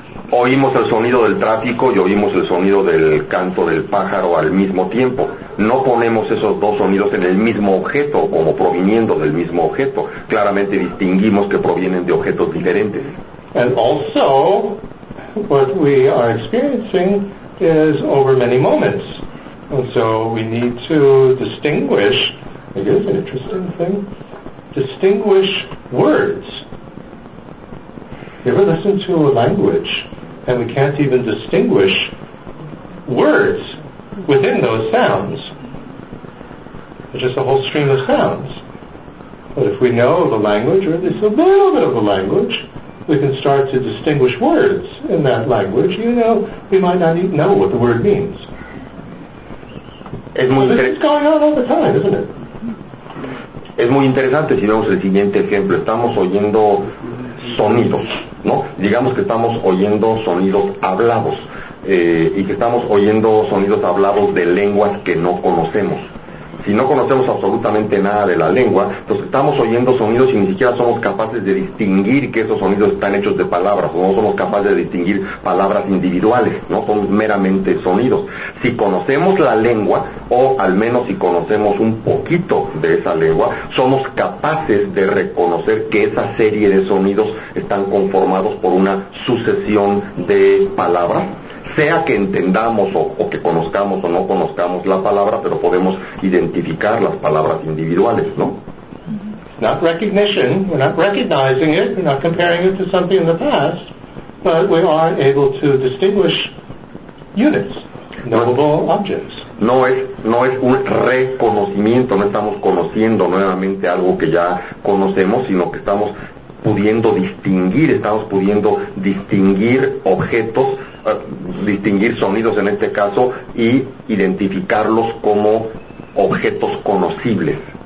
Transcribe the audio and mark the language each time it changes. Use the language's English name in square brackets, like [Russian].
[Spanish] Oímos el sonido del tráfico y oímos el sonido del canto del pájaro al mismo tiempo. No ponemos esos dos sonidos en el mismo objeto, como proviniendo del mismo objeto. Claramente distinguimos que provienen de objetos diferentes. [English] And also, what we are experiencing is over many moments. And so we need to distinguish, it is an interesting thing, distinguish words. You ever listen to a language and we can't even distinguish words within those sounds? are just a whole stream of sounds. But if we know the language, or at least a little bit of the language, we can start to distinguish words in that language. You know, we might not even know what the word means. [Spanish] Es muy [English] this is going on all the time, isn't it? [Spanish] Es muy interesante si vemos el siguiente ejemplo. Estamos oyendo sonidos, ¿no? Digamos que estamos oyendo sonidos hablados y que estamos oyendo sonidos hablados de lenguas que no conocemos. Si no conocemos absolutamente nada de la lengua, entonces estamos oyendo sonidos y ni siquiera somos capaces de distinguir que esos sonidos están hechos de palabras, o no somos capaces de distinguir palabras individuales, no son meramente sonidos. Si conocemos la lengua, o al menos si conocemos un poquito de esa lengua, somos capaces de reconocer que esa serie de sonidos están conformados por una sucesión de palabras. Sea que entendamos o que conozcamos o no conozcamos la palabra, pero podemos identificar las palabras individuales, ¿no? [English] Not recognition, we're not recognizing it, we're not comparing it to something in the past, but we are able to distinguish units, knowable objects. [Spanish] No es un reconocimiento, no estamos conociendo nuevamente algo que ya conocemos, sino que estamos pudiendo distinguir objetos, distinguir sonidos en este caso y identificarlos como objetos conocibles.